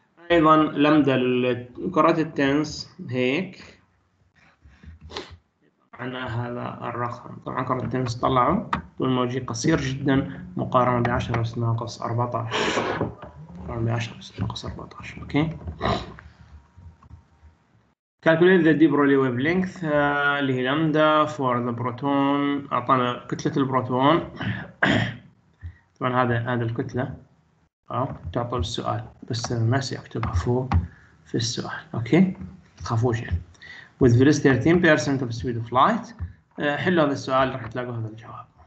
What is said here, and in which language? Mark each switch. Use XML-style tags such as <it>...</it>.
<ar>أيضا لمدة كرة التنس هيك، معناها هذا الرقم. طبعا كرة التنس طلعوا طول موجي قصير جدا مقارنة ب10 أس ناقص 14، مقارنة ب10 أس ناقص 14.</ar> <en>okay, calculate the De Broglie wavelength</en> <ar>اللي هي لامدا</ar> <en>for the proton،</en> <ar>أعطانا كتلة البروتون. طبعا هذا الكتلة تعطوا السؤال، بس الناس يكتبها فوق في السؤال. أوكي، تخافوش يعني.</ar> <en>With velocity 13% of speed of light،</en> <ar>حلوا هذا السؤال راح تلاقوا هذا الجواب.</ar>